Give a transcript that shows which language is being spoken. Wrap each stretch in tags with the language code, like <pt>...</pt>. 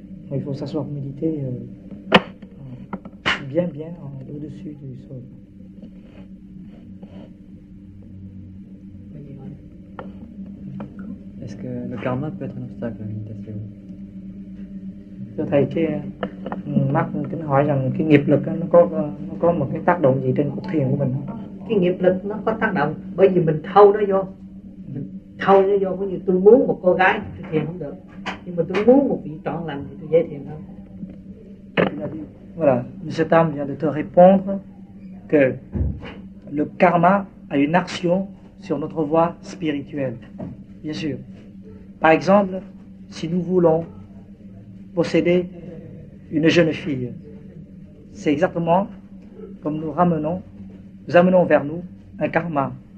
<fr>Donc, il faut s'asseoir pour méditer bien au-dessus du sol. Est-ce que le karma peut être un obstacle à la méditation ?</fr> <vi>Thưa Thầy, khi Mark kính hỏi rằng cái nghiệp lực nó có một cái tác động gì trên cuộc thiền của mình không? Cái nghiệp lực nó có tác động bởi vì mình thâu nó vô. Thâu nó vô, có như tôi muốn một cô gái thì thiền không được. Nhưng mà tôi muốn một vị trọn lành thì tôi dễ thiền hơn.</vi> <fr>Voilà, M. Tam vient de te répondre que le karma a une action sur notre voie spirituelle. Bien sûr. Par exemple, si nous voulons posséder une jeune fille, c'est exactement comme nous amenons vers nous un karma.</fr>